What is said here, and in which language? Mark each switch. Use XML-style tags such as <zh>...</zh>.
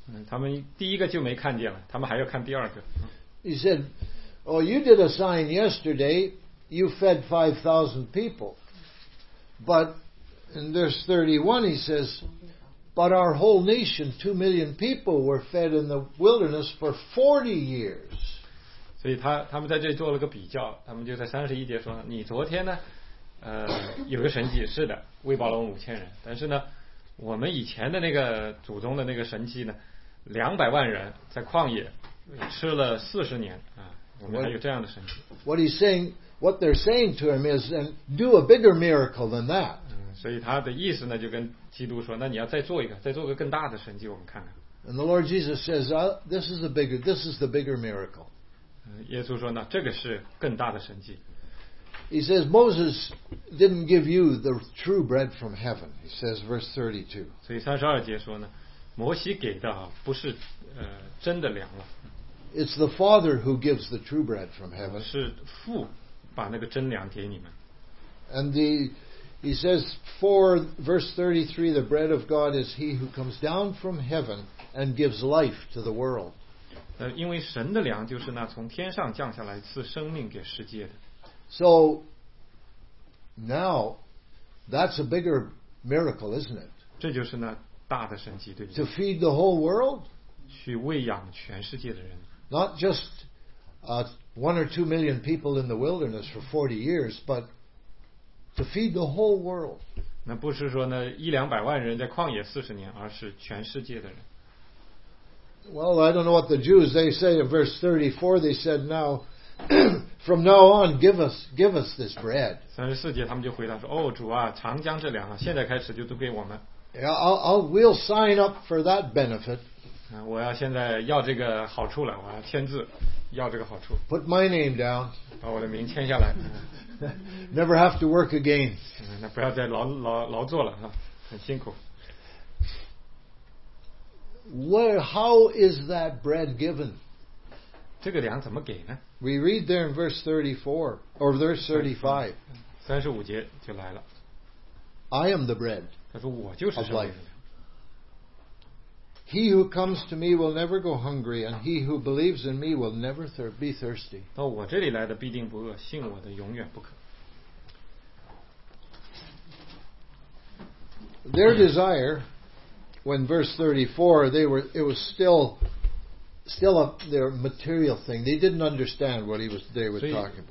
<zh>他们第一个就没看见了，他们还要看第二个。</zh> <en>He said, "Oh, you did a sign yesterday. you fed 5,000 people. But in verse 31 he says, but our whole nation, 2 million people, were fed in the wilderness for 40 years.</en> <zh>所以 他们在这里做了个比较，他们就在31节说，你昨天呢有个神迹，是的，喂饱了我们5000人，但是呢我们以前的那个祖宗的那个神迹呢，200万人在旷野吃了40年啊，我们还有这样的神迹。</zh> <en>What he's saying, what they're saying to him is, and do a bigger miracle than that.</en> <zh>所以他的意思呢，就跟基督说，那你要再做一个，再做个更大的神迹，我们看看。</zh> <en>And the Lord Jesus says, this is the bigger, this is the bigger miracle.</en> <zh>耶稣说呢，这个是更大的神迹。</zh> <en>He says, Moses didn't give you the true bread from heaven. He says, verse 32.</en> <zh>所以32节说呢，摩西给的不是真的粮了。</zh> <en>It's the Father who gives the true bread from heaven.</en> <zh>是父把那个真粮给你们。</zh> <en>And the, he says, for verse 33, the bread of God is he who comes down from heaven and gives life to the world.</en> <zh>因为神的粮就是那从天上降下来赐生命给世界的。</zh> <en>So now that's a bigger miracle, isn't it?</en> <zh>这就是那大的神迹，对不对？</zh> <en>To feed the whole world?</en> <zh>去喂养全世界的人。</zh> <en>Not just one or 2 million people in the wilderness for 40 years, but to feed the whole world.</en> <zh>那不是说呢一两百万人在旷野四十年，而是全世界的人。</zh> <en>Well, I don't know what the Jews, they say in verse 34, they said now, from now on, give us this bread.</en> <zh>34节他们就回答说，哦，主啊，常将这粮啊，现在开始就都给我们。</zh> <en>Yeah, we'll sign up for that benefit.</en> <zh>我要现在要这个好处了，我要签字，要这个好处。</zh> <en>Put my name down.</en> <zh>把我的名签下来。</zh> <en>Never have to work again.</en> <zh>那不要再劳作了，很辛苦。</zh> <en>How is that bread given?</en> <zh>这个粮怎么给呢？</zh> <en>We read there in verse 34 or verse 35.</en> <zh>35节就来了。</zh> <en>I am the bread.</en> <zh>他说我就是生命。</zh> <en>He who comes to me will never go hungry, and he who believes in me will never be thirsty.</en> <zh>到我这里来的必定不饿，信我的永远不渴。</zh> <en>Their desire, when verse 34, it was still a their material thing. They didn't understand what they were talking about.</en> <zh>所以</zh>